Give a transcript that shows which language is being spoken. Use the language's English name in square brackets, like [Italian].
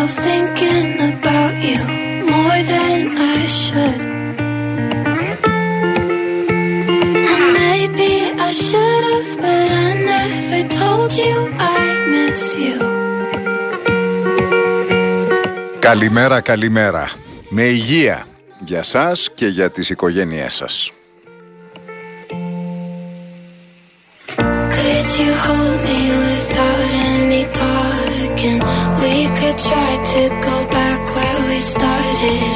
[English] Thinking about you more than I should. And maybe I should've, but I never told you I miss you. [Greek] Καλημέρα, καλημέρα. Με υγεία για σας και για τις οικογένειές σας. [English] Could you hold me without any talking? We could try to go back where we started.